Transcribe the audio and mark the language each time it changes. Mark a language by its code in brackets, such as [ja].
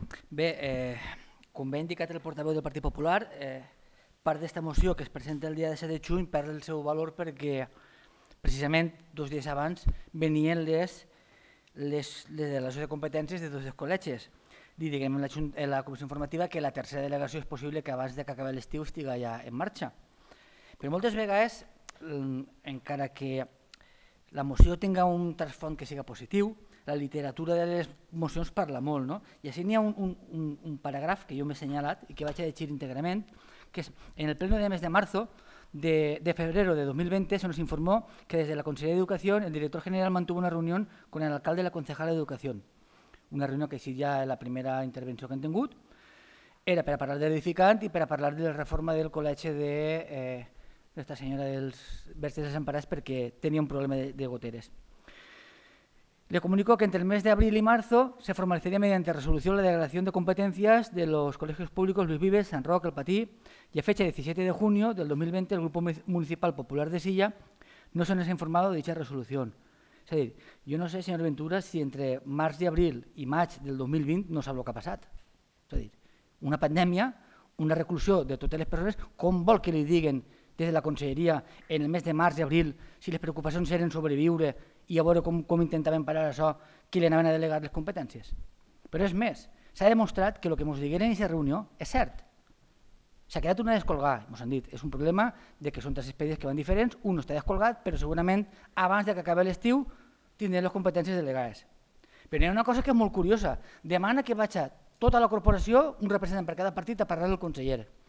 [ca] Bé, com bé ha indicat el portaveu del Partit Popular, part d'aquesta moció que es presenta el dia 17 de juny perd el seu valor perquè precisament dos dies abans venien les delegacions de competències de tots els col·legis. Li diguem a la comissió informativa que la tercera delegació és possible que abans que acabi l'estiu estigui ja en marxa. Però moltes vegades, encara que la moció tinga un trasfons que siga positiu, la literatura de les mocions parla molt, no? I així n'hi ha un paràgraf que jo m'he assenyalat i que vaig a llegir íntegrament, que és: [es] en el pleno de mes de marzo de febrero de 2020 se nos informó que desde la Consejería de Educación el director general mantuvo una reunión con el alcalde y la concejala de Educación. Una reunión que sí, ya en la primera intervención que [ca] han tingut, [es] era para hablar del edificante y para hablar de la reforma del col·legi de esta señora dels Verges Desemparats porque tenía un problema de goteres. Le comunicó que entre el mes de abril y marzo se formalizaría mediante resolución la declaración de competencias de los colegios públicos Lluís Vives, Sant Roc, El Patí, y a fecha 17 de junio del 2020 el Grupo Municipal Popular de Silla no se nos ha informado de dicha resolución. Es decir, yo no sé, señor Ventura, si entre marzo y abril y maig del 2020 no sabe lo que ha pasado. Es decir, una pandemia, una reclusión de todas las personas, ¿cómo vol que le digan desde la Conselleria en el mes de marzo y abril si las preocupaciones eran sobrevivir [ca] i a veure com intentaven parar això, qui li anaven a delegar les competències. Però és més, s'ha demostrat que el que ens digueren en aquesta reunió és cert. S'ha quedat una descolgada, ens han dit, és un problema de que són tres expedients que van diferents, un està descolgat, però segurament abans que acabi l'estiu tindrem les competències delegades. Però hi ha una cosa que és molt curiosa, demana que vagi tota la corporació, un representant per cada partit, a parlar del conseller.